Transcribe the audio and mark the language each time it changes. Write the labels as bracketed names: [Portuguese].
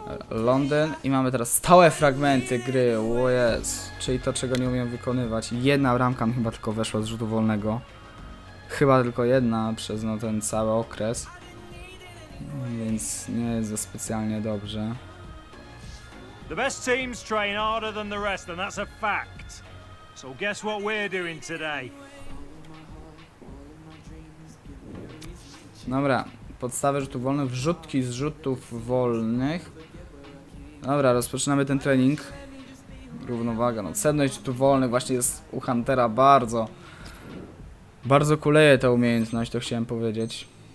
[Polish] Londyn i mamy teraz stałe fragmenty gry. O jest, czyli to czego nie umiem wykonywać. Jedna bramka mi chyba tylko weszła z rzutu wolnego. Chyba tylko jedna przez no, ten cały okres. Więc nie jest za specjalnie dobrze. [English] The best teams train harder than the rest and that's a fact. So guess what we're doing today. [Polish] Dobra, podstawę rzutów wolnych, wrzutki z rzutów wolnych. Dobra, rozpoczynamy ten trening. Równowaga, no cenność rzutów wolnych właśnie jest u Huntera bardzo. Bardzo kuleje ta umiejętność, to chciałem powiedzieć.